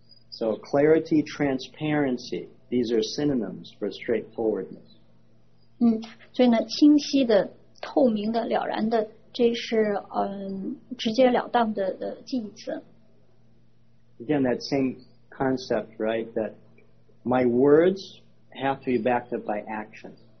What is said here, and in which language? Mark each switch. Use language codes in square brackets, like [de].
[en] So clarity, transparency, these are synonyms for straightforwardness. [zh] 所以呢, 清晰的, 透明的,了然的, 这是, 直截了当的记忆词。 [en] Again, that same concept, right, that my words have to be backed up by action.